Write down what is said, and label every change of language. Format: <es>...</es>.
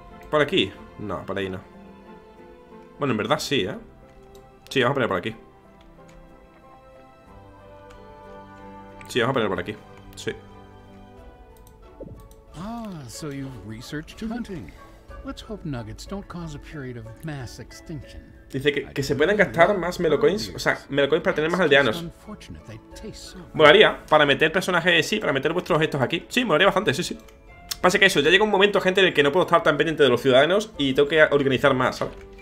<es>¿Por aquí? No, por ahí no. Bueno, en verdad sí, ¿eh? Sí, vamos a poner por aquí. Sí, vamos a poner por aquí. Sí.</es> <en>Ah, so you've researched hunting. Let's hope nuggets don't cause a period of mass extinction.</en> <es>Dice que se pueden gastar más melocoins, o sea, melocoins para tener más aldeanos. Molaría para meter personajes, sí, para meter vuestros objetos aquí. Sí, molaría bastante, sí, sí. Pasa que eso, ya llega un momento, gente, en el que no puedo estar tan pendiente de los ciudadanos y tengo que organizar más, ¿sabes?</es>